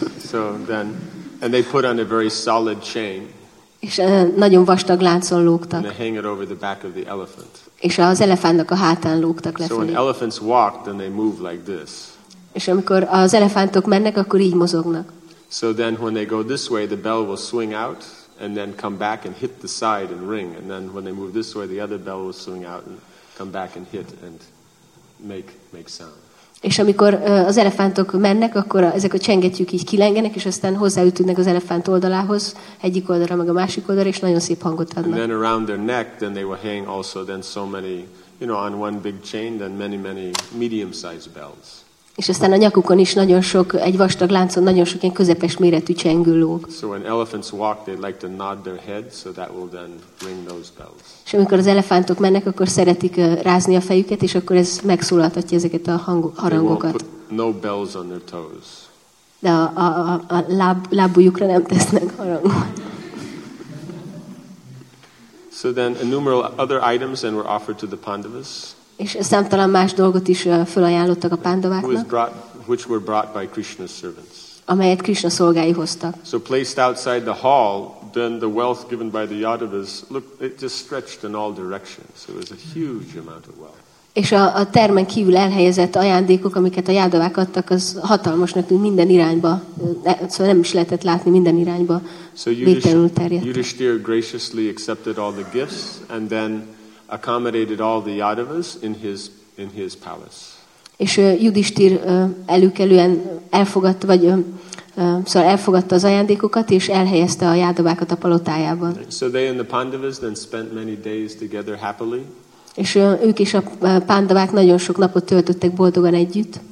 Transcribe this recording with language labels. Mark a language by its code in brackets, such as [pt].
[en] So then, and they put on a very solid chain. [hu] És nagyon vastag láncon lógtak. [en] And they hang it over the back of the elephant. [hu] És az elefántnak a hátán lógtak lefelé. [en] So when elephants walk, then they move like this. [hu] És amikor az elefántok mennek, akkor így mozognak. [en] So then when they go this way, the bell will swing out, and then come back and hit the side and ring. And then when they move this way, the other bell will swing out and come back and hit and make sound. [hu] És amikor az elefántok mennek, akkor ezek a csengetjük így kilengenek, és aztán hozzáütődnek az elefánt oldalához, egyik oldalra, meg a másik oldalra, és nagyon szép hangot adnak. [en] And then around their neck, then they will hang also then so many, you know, on one big chain, then many, many medium-sized bells. [hu] És aztán a nyakukon is nagyon sok, egy vastag láncon nagyon sok ilyen közepes méretű csengőló. [en] So when elephants walk, they like to nod their heads, so that will then ring those bells. [hu] És amikor az elefántok mennek, akkor szeretik rázni a fejüket, és akkor ez megszólaltatja ezeket a harangokat. [en] They won't put no bells on their toes. [hu] De a lábujjukra nem tesznek harangot. [en] So then innumerable other items then were offered to the Pandavas. [hu] És számtalan más dolgot is felajánlottak a pándováknak, [en] which were brought by Krishna's servants. [hu] Amelyet Krishna szolgái hoztak. [en] So placed outside the hall, then the wealth given by the Yadavas, look, it just stretched in all directions. So it was a huge amount of wealth. [hu] És a termen kívül elhelyezett ajándékok, amiket a jádavák adtak, az hatalmasnak tűnt minden irányba. Szóval nem is lehetett látni minden irányba. [en] So Yudhishthira graciously accepted all the gifts, and then accommodated all the Yadavas in his palace. [hu] És Yudhishthir előkelően elfogadta, vagy szóval elfogadta az ajándékokat, és elhelyezte a jádavákat a palotájában. [en] So they and the Pandavas then spent many days together happily. [hu] És ők és a pándavák nagyon sok napot töltöttek boldogan együtt.